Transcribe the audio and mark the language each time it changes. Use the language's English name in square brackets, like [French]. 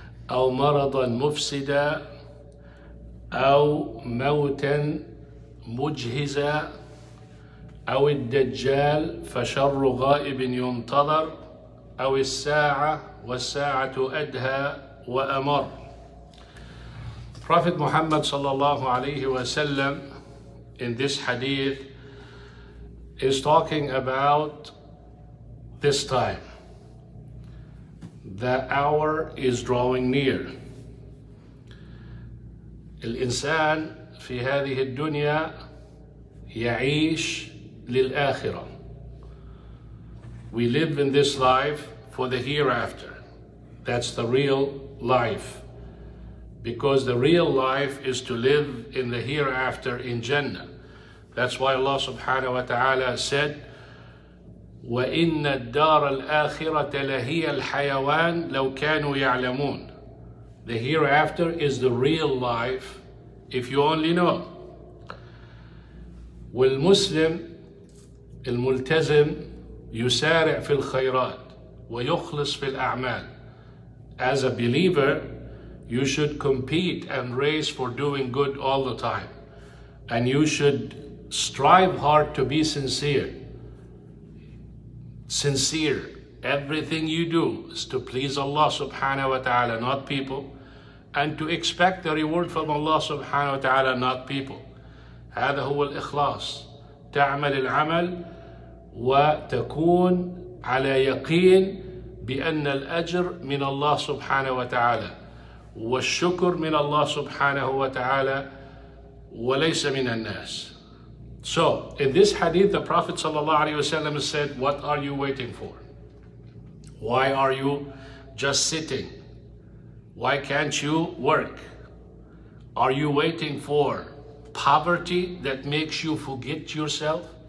[Arabic] أو مرضا مفسدا، أو موتا مجهزا، أو الدجال فشر غائب ينتظر، أو الساعة والساعة أدهى وأمر. [English] Prophet Muhammad [Arabic] صلى الله عليه وسلم [English] in this hadith is talking about this time. The hour is drawing near. [Arabic] الإنسان في هذه الدنيا يعيش للآخرة. [English] We live in this life for the hereafter. That's the real life. Because the real life is to live in the hereafter in Jannah. That's why Allah subhanahu wa ta'ala said, [Arabic] وَإِنَّ الدَّارَ الْآخِرَةَ لَهِيَ الْحَيَوَانِ لَوْ كَانُوا يَعْلَمُونَ. [English] The hereafter is the real life if you only know. [Arabic] والمسلم الملتزم يسارع في الخيرات ويخلص في الأعمال. [English] As a believer, you should compete and race for doing good all the time. And you should strive hard to be sincere. Sincere, everything you do is to please Allah subhanahu wa ta'ala, not people, and to expect the reward from Allah subhanahu wa ta'ala, not people. [Arabic] هذا هو الإخلاص. تعمل العمل وتكون على يقين بأن الأجر من الله سبحانه وتعالى والشكر من الله سبحانه وتعالى وليس من الناس. [English] So, in this hadith, the Prophet sallallahu alaihi wasallam said, what are you waiting for? Why are you just sitting? Why can't you work? Are you waiting for poverty that makes you forget yourself?